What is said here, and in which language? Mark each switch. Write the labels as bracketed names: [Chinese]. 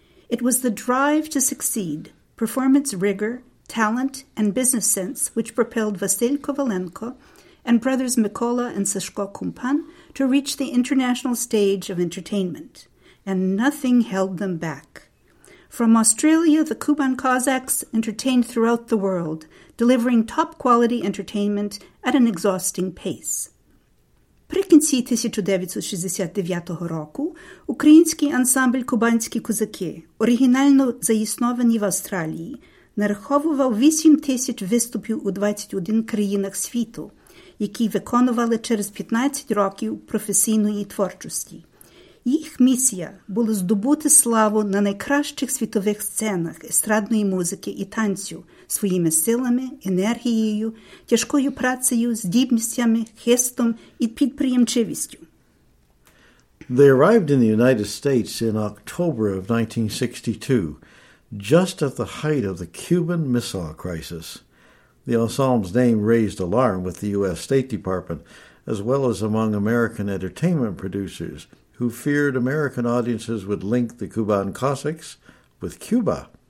[English] It was the drive to succeed, performance rigor, talent, and business sense which propelled Vasil Kovalenko and brothers Mykola and Sashko Kumpan to reach the international stage of entertainment, and nothing held them back. From Australia, the Kuban Cossacks entertained throughout the world, delivering top-quality entertainment at an exhausting pace. [Ukrainian] Прикінці 1969 року український ансамбль «Кубанські козаки», оригінально заіснований в Австралії, нараховував 8 тисяч виступів у 21 країнах світу, які виконували через 15 років професійної творчості. Їх місія була здобути славу на найкращих світових сценах естрадної музики і танцю своїми силами, енергією, тяжкою працею, здібностями, хистом і підприємчивістю. [English] They arrived in the United States in October of 1962, just at the height of the Cuban Missile Crisis. The ensemble's name raised alarm with the U.S. State Department, as well as among American entertainment producers, who feared American audiences would link the Kuban Cossacks with Cuba.